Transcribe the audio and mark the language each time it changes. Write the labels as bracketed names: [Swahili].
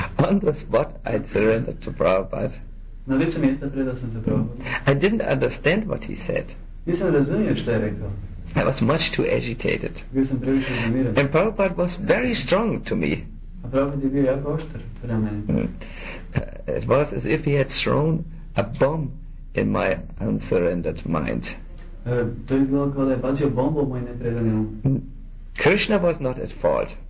[English] On the spot I surrendered to Prabhupada. [Croatian] Na licu mjesta predao sam se Prabhupada. [English] I didn't understand what he said. [Croatian] Nisam razumio što je rekao. [English] I was much too agitated. [Croatian] Bio sam previše uznemiren. [English] And Prabhupada was very strong to me. [Croatian] A Prabhupada je bio jako oštar prema meni. [English] It was as if he had thrown a bomb in my unsurrendered mind. [Croatian] To je bilo kao da je bacio bombu u moj nepredani um. [English] Krishna was not at fault.